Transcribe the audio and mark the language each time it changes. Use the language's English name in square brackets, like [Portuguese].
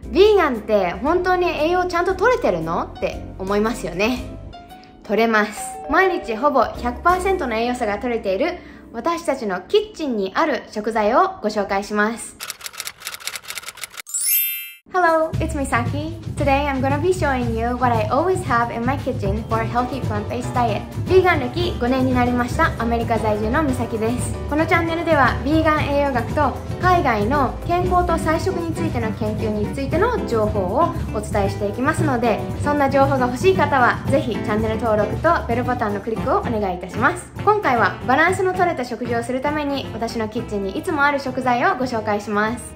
[Japanese] ヴィーガンって本当に栄養ちゃんと取れてるのって思いますよね。取れます。毎日ほぼ 100% の栄養素が取れている私たちのキッチンにある食材をご紹介します。 [English] Hello, it's Misaki. Today I'm going to be showing you what I always have in my kitchen for a healthy plant-based diet. [Japanese] ヴィーガン歴5年になりました、アメリカ在住の Misaki です。このチャンネルではヴィーガン栄養学と海外の健康と菜食についての研究についての情報をお伝えしていきますので、そんな情報が欲しい方はぜひチャンネル登録とベルボタンのクリックをお願いいたします。今回はバランスの取れた食事をするために私のキッチンにいつもある食材をご紹介します。